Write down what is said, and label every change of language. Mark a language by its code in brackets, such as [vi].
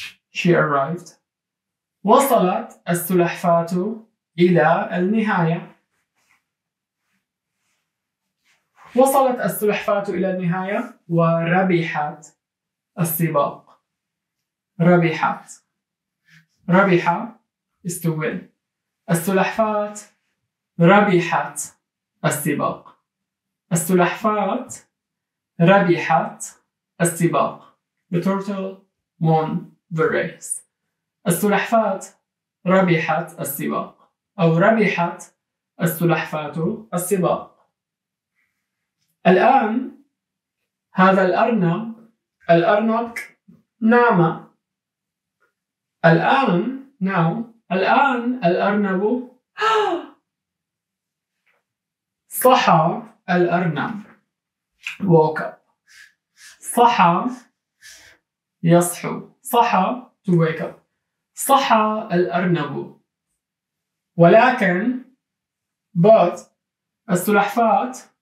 [en] She arrived. [ar] وصلت السلحفاة إلى النهاية. وصلت السلحفاة إلى النهاية وربحت السباق. ربحت. ربح [en] is to win. [ar] السلحفاة ربحت السباق. السلحفاة ربحت السباق. [en] The turtle won the race. [ar] السلحفاة ربحت السباق. أو ربحت السلحفاة السباق. الآن هذا الأرنب. الأرنب نام. الآن [en] now. [ar] الآن الأرنب صحى. الأرنب [en] woke up. [ar] صحى يصحو. صحى [en] to wake up. [ar] صحى الأرنب. ولكن [en] but [ar] السلحفاة